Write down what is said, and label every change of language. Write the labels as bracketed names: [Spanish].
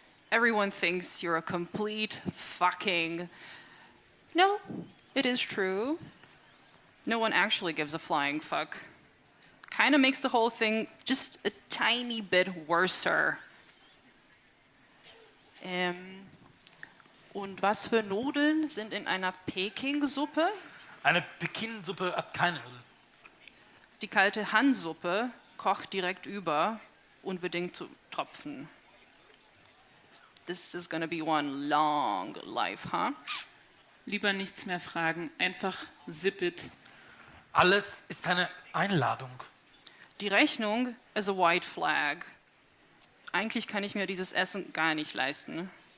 [English] Everyone thinks you're a complete fucking... No, it is true. No one actually gives a flying fuck. Kinda makes the whole thing just a tiny bit worser. [German] Und was für Nudeln sind in einer Peking-Suppe? Eine Peking-Suppe hat keine Nudeln. Die kalte Han-Suppe kocht direkt über, unbedingt zu tropfen. [English] This is gonna be one long life, huh? [German] Lieber nichts mehr fragen, einfach [English] zip it. [German] Alles ist eine Einladung. Die Rechnung [English] is a white flag. [German] Eigentlich kann ich mir dieses Essen gar nicht leisten.